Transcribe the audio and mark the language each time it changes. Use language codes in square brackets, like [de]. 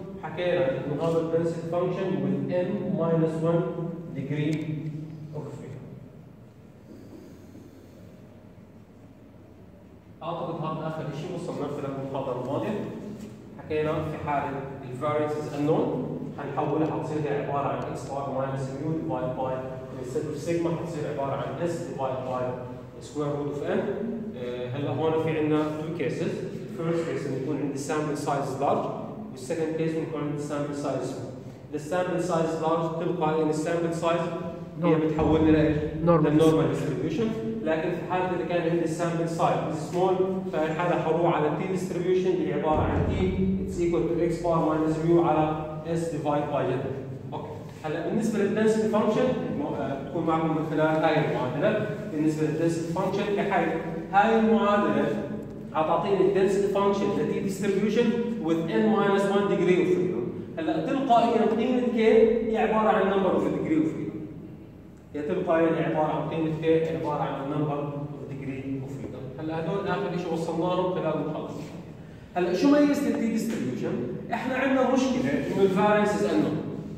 [ar] حكينا انه هذا [en] density function with n minus 1 degree of freedom. [ar] اعتقد هذا اخر شيء وصلنا في المحاضرة الماضية. حكينا في حالة ال [en] variance is unknown [ar] حنحولها حتصير هي عبارة عن [en] x bar minus mu divided by instead of sigma [ar] حتصير عبارة عن [en] s divided by square root of n. [ar] هلا هون في عندنا two cases. [en] The first case [ar] إن يكون عند [en] sample size large. The second case إن يكون عند sample size small. The sample size large [ar] تبقى إن [en] sample size [ar] هي بتحول لنا [en] the normal distribution. [ar] لكن في حالة إذا كان عند sample size small فهي حالة حروح على [en] t distribution [ar] اللي عبارة عن [en] t is equal to x bar minus mu على s divided by n. [ar] هلا بالنسبة للdensity function تكون معكم من خلال هاي المعادلة. بالنسبة للdensity [en] function [ar] كحيث هاي المعادلة حتعطيني [en] density function لـ t distribution with n minus 1 degree of freedom. [ar] هلا تلقائيا قيمة k هي عبارة عن [en] number of degree of freedom. [ar] هي تلقائيا عبارة عن قيمة k عبارة عن [en] number of degree of freedom. [ar] هلا هدول آخر شيء وصلناهم خلال المحاضرة. هلا شو ميزة الـ t distribution؟ احنا عندنا مشكلة انه الـ [en] variance is unknown.